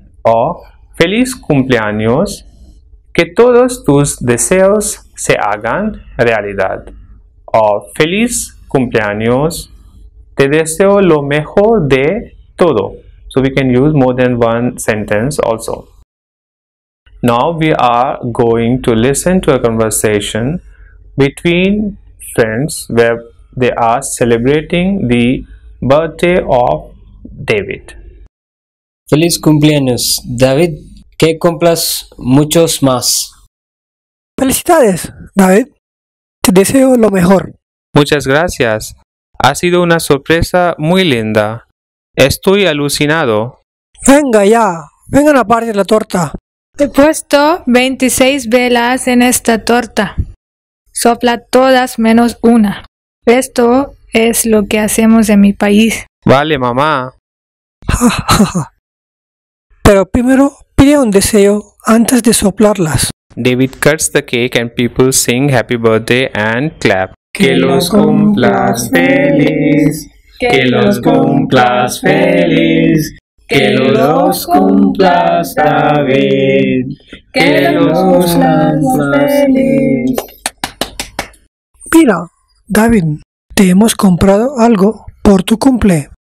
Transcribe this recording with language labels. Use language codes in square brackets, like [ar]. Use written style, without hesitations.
[es] O Feliz cumpleaños, que todos tus deseos se hagan realidad. O Feliz cumpleaños, te deseo lo mejor de todo. [en] So we can use more than one sentence also. Now we are going to listen to a conversation between friends where they are celebrating the birthday of David. [es] Feliz cumpleaños, David. Que cumplas muchos más. Felicidades, David. Te deseo lo mejor. Muchas gracias. Ha sido una sorpresa muy linda. Estoy alucinado. Venga ya, vengan a partir la torta. He puesto 26 velas en esta torta. Sopla todas menos una. Esto es lo que hacemos en mi país. Vale, mamá. Pero primero pide un deseo antes de soplarlas. [en] David cuts the cake and people sing happy birthday and clap. [es] Que los cumplas feliz, que los cumplas feliz, que los cumplas David, que los cumplas feliz. Mira, David, te hemos comprado algo por tu cumple.